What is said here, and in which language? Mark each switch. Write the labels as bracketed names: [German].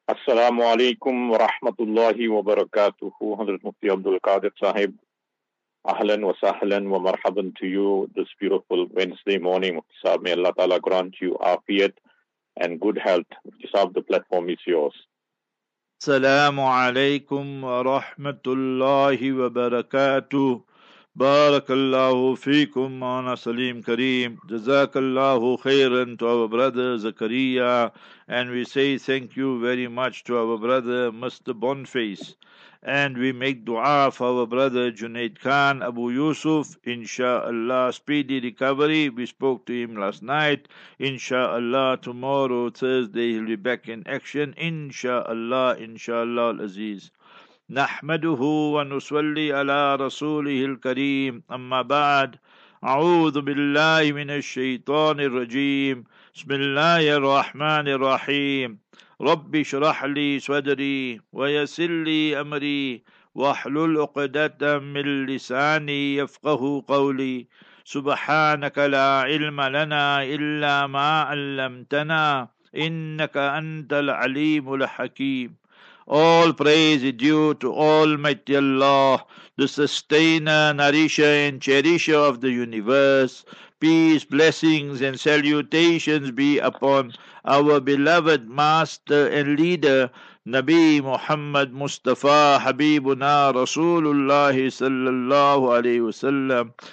[Arabic] السلام عليكم ورحمة الله وبركاته. حضرت مفتي عبد القادر صاحب، اهلا وسهلا ومرحبا [English] to you this beautiful Wednesday morning. مفتي صاحب، may Allah Ta'ala grant you afiat and good health. مفتي صاحب، the platform is yours. [Arabic] السلام عليكم ورحمة الله وبركاته. بارك الله فيكم مولانا سليم كريم، جزاك الله خيرا [English] to our brother زكريا، and we say thank you very much to our brother Mr. Bonface, and we make dua for our brother Junaid Khan Abu Yusuf, inshallah speedy recovery. We spoke to him last night, inshallah tomorrow Thursday he'll be back in action, inshallah, inshallah al-Aziz. [Arabic] نحمده ونصلي على رسوله الكريم أما بعد أعوذ بالله من الشيطان الرجيم بسم الله الرحمن الرحيم رب اشرح لي صدري ويسر لي أمري واحلل عقدة من لساني يفقه قولي سبحانك لا علم لنا إلا ما علمتنا إنك أنت العليم الحكيم. [English] All praise is due to Almighty Allah, the sustainer, nourisher and cherisher of the universe. Peace, blessings and salutations be upon our beloved master and leader, Nabi Muhammad Mustafa Habibuna Rasulullah sallallahu alayhi wasallam.